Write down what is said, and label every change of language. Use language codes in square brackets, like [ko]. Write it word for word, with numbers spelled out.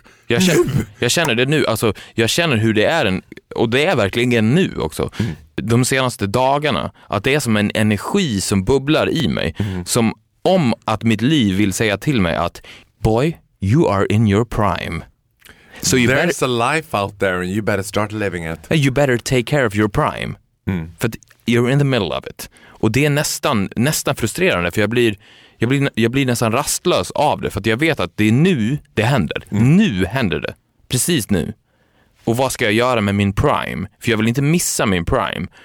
[sv] Jag känner, jag känner det nu. Alltså, jag känner hur det är. En, och det är verkligen nu också. Mm. De senaste dagarna. Att det är som en energi som bubblar i mig. Mm. Som... Om att mitt liv vill säga till mig att [en] boy, you are in your prime. So you There's better, a life out there and you better start living it. You better take care of your prime. Mm. [sv] För [en] you're in the middle of it. [sv] Och det är nästan, nästan frustrerande för jag blir, jag, blir, jag blir nästan rastlös av det. För att jag vet att det är nu det händer. Mm. Nu händer det. Precis nu. Och vad ska jag göra med min prime? För jag vill inte missa min prime.